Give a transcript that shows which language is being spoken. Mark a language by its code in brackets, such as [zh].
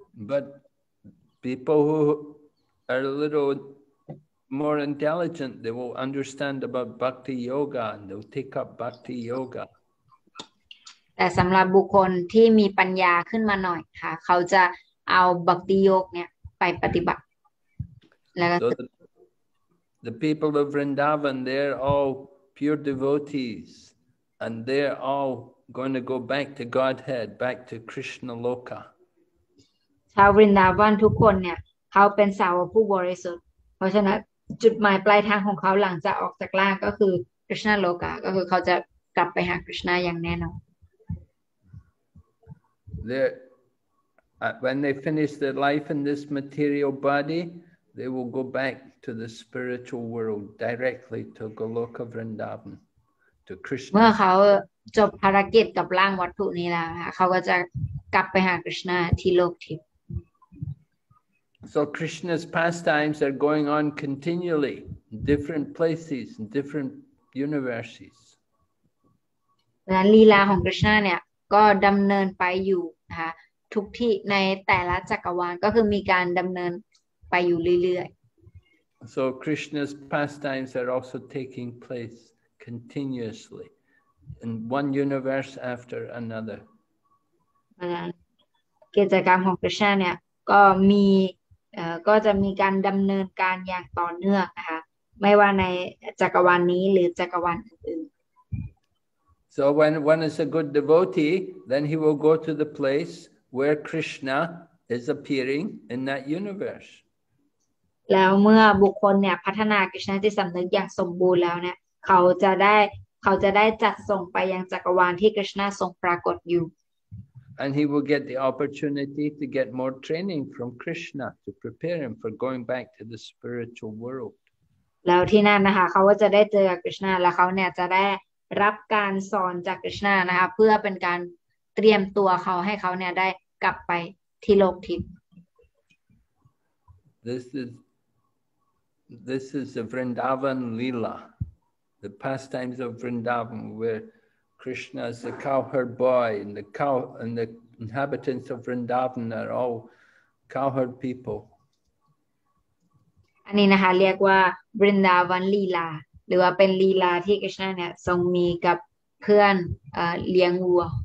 [en] But people who are a little more intelligent, they will understand about bhakti yoga and they'll take up bhakti yoga. [th] แต่สำหรับบุคคลที่มีปัญญาขึ้นมาหน่อยค่ะเขาจะเอาบัคติโยกเนี่ยไปปฏิบัติแล้วก็ [en] So the people of Vrindavan, they're all pure devotees and they're all going to go back to Godhead, back to Krishna Loka. [th] ชาววรินดาวันทุกคนเนี่ยเขาเป็นสาวกผู้บริสุทธิ์เพราะฉะนั้นจุดหมายปลายทางของเขาหลังจากออกจากร่างก็คือ Krishna Loka ก็คือเขาจะกลับไปหา Krishna อย่างแน่นอน [en] When they finish their life in this material body, they will go back to the spiritual world directly to Goloka Vrindavan, to Krishna. [th] เมื่อเขาจบภารกิจกับร่างวัตถุนี้แล้วค่ะเขาก็จะกลับไปหา Krishna ที่โลกทิพย์ [en] So Krishna's pastimes are going on continually in different places, in different universes. [th] และลีลาของ Krishna เนี่ยก็ดำเนินไปอยู่นะคะทุกที่ในแต่ละจักรวาลก็คือมีการดำเนินไปอยู่เรื่อย [en] ๆ So Krishna's pastimes are also taking place continuously in one universe after another. [th] กิจกรรมของ Krishna เนี่ยก็มีก็จะมีการดำเนินการอย่างต่อเนื่องนะคะไม่ว่าในจักรวาลนี้หรือจักรวาลอื่น [en] So when one is a good devotee, then he will go to the placeWhere Krishna is appearing in that universe. [th] แล้วเมื่อบุคคลเนี่ยพัฒนาคริสต์นาที่สำนึกอย่างสมบูรณ์แล้วเนี่ยเขาจะได้จัดส่งไปยังจักรวาลที่คริสต์นาทรงปรากฏอยู่ [en] And he will get the opportunity to get more training from Krishna to prepare him for going back to the spiritual world. [th] แล้วที่นั่นนะคะเขาก็จะได้เจอคริสต์นาแล้วเขาเนี่ยจะได้รับการสอนจากคริสต์นานะคะเพื่อเป็นการเตรียมตัวเขาให้เขาเนี่ยได้กลับไปที่โลกทิพย์ [en] This is the Vrindavan Leela, the pastimes of Vrindavan, where Krishna is the cowherd boy, and the cow and the inhabitants of Vrindavan are all cowherd people. [th] อันนี้นะคะเรียกว่า Vrindavan Leela หรือว่าเป็นลีลาที่ Krishna เนี่ยทรงมีกับเพื่อนเลี้ยงวัว